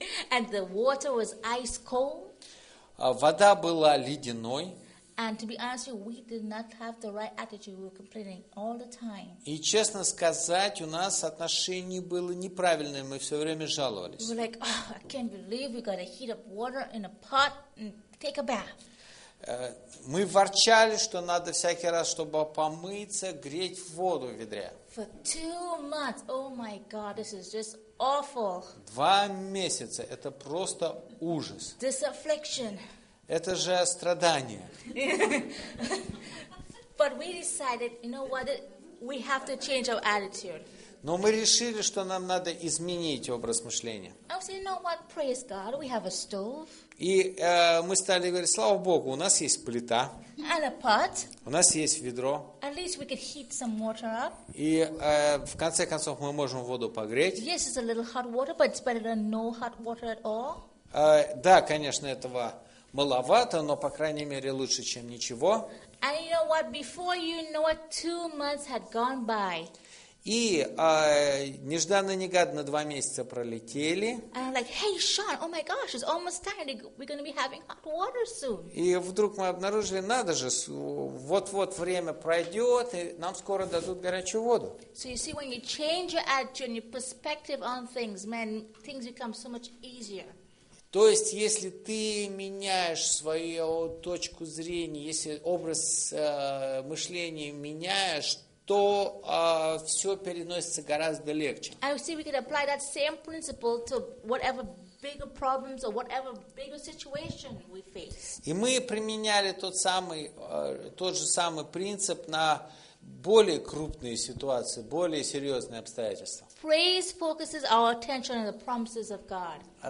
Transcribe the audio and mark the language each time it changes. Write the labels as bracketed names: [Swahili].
[English] And the water was ice cold. [Russian] Вода была ледяной. [English] And to be honest with you, we did not have the right attitude. We were complaining all the time. [Russian] И честно сказать, у нас отношение было неправильное. Мы все время жаловались. [English] We were like, oh, I can't believe we gotta heat up water in a pot and take a bath. [Russian] Мы ворчали, что надо всякий раз, чтобы помыться, греть воду в ведре. [English] For 2 months, oh my God, this is just awful. [Russian] 2 месяца, это просто ужас. [English] This affliction. [Russian] Это же страдание. [English] But we decided, you know what, we have to change our attitude. [Russian] Но мы решили, что нам надо изменить образ мышления. [English] I was saying, you know what, praise God, we have a stove. [Russian] И мы стали говорить, слава Богу, у нас есть плита. [English] And a pot. [Russian] У нас есть ведро. [English] At least we could heat some water up. [Russian] И в конце концов мы можем воду погреть. [English] Yes, it's a little hot water, but it's better than no hot water at all. [Russian] Да, конечно, этого маловато, но по крайней мере лучше, чем ничего. [English] And you know what, before you know it, 2 months had gone by. [Russian] И нежданно-негаданно 2 месяца пролетели. [English] And I'm like, hey, Sean, oh my gosh, it's almost time. We're going to be having hot water soon. [Russian] И вдруг мы обнаружили, надо же, вот-вот время пройдет, и нам скоро дадут горячую воду. [English] So you see, when you change your attitude, your perspective on things, man, things become so much easier. [Russian] То есть, если ты меняешь свою точку зрения, если образ мышления меняешь, то все переносится гораздо легче. [English] I see we could apply that same principle to whatever bigger problems or whatever bigger situation we face. [Russian] И мы применяли тот же самый принцип на более крупные ситуации, более серьезные обстоятельства. [English] Praise focuses our attention on the promises of God.